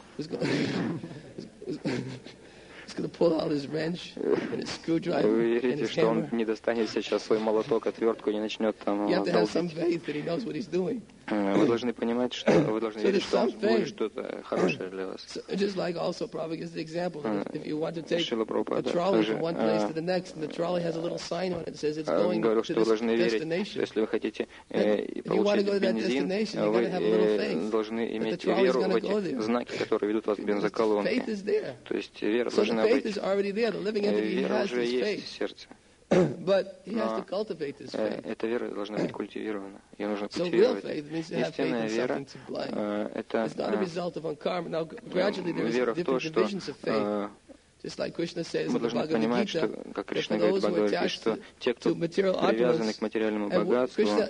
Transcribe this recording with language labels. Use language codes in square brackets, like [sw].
[ru] Вы верите, что он не достанет сейчас свой молоток, отвертку, не начнет там долбить? Вы должны понимать, что вы должны верить, что будет что-то хорошее для вас. [en] Just like also Prabhupada gives the example, if you want to take a trolley from one place to the next, and the trolley has a little sign on it that says it's going to this destination. [ru] Если вы хотите получить бензин, вы должны иметь веру в эти знаки, которые ведут вас к бензоколонке. То есть вера должна быть. [en] So the faith is already there. The living entity has this faith. But he has to cultivate this faith. [ru] Эта вера должна быть культивирована. Ее нужно культивировать. Истинная вера — это вера в то, что мы должны понимать, что, как Кришна говорит в Бхагавад-гите, что те, кто привязаны к материальному богатству,